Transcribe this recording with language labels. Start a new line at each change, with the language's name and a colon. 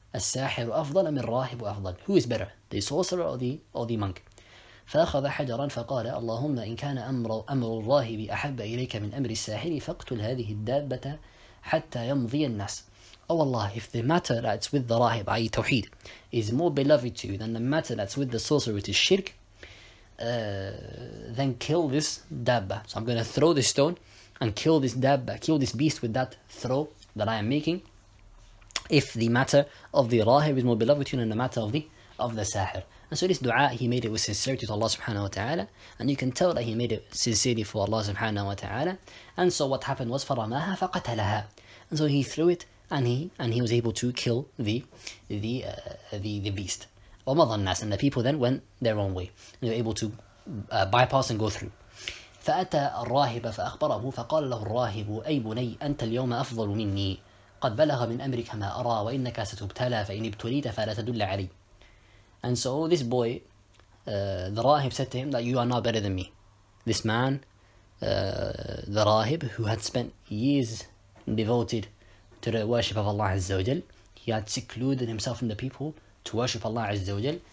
Arabic: الساحر أفضل من الراهب أفضل.
English: Who is better, the sorcerer or the monk?
Arabic: فأخذ حجرا فقال اللهم إن كان أمر الراهب أحب إليك من أمر الساحر فاقتل هذه الدابة حتى يمضي الناس.
English: Oh Allah, if the matter that's with the راهب, i.e. توحيد, is more beloved to you than the matter that's with the sorcerer, which is shirk, then kill this dabba. So I'm going to throw this stone and kill this dabba, kill this beast with that throw that I am making, if the matter of the rahib is more beloved to you than the matter of the sahir. And so this dua, he made it with sincerity to Allah subhanahu wa ta'ala, and you can tell that he made it sincerely for Allah subhanahu wa ta'ala. And so what happened was,
Arabic: فَرَمَاهَا فَقَتَلَهَا.
English: And so he threw it, and he was able to kill the beast.
Arabic: وَمَضَى النَّاسِ.
English: And the people then went their own way. They were able to bypass and go through.
Arabic: فاتى الراهب فاخبره، فقال له الراهب: اي بني، انت اليوم افضل مني، قد بلغ من امرك ما ارى، وانك ستبتلى، فان ابتليت فلا تدل علي.
English: And so this boy, the Rahib said to him that you are not better than me. This man, the Rahib, who had spent years devoted to the worship of Allah Azza wa Jal, he had secluded himself from the people to worship Allah Azza wa Jal.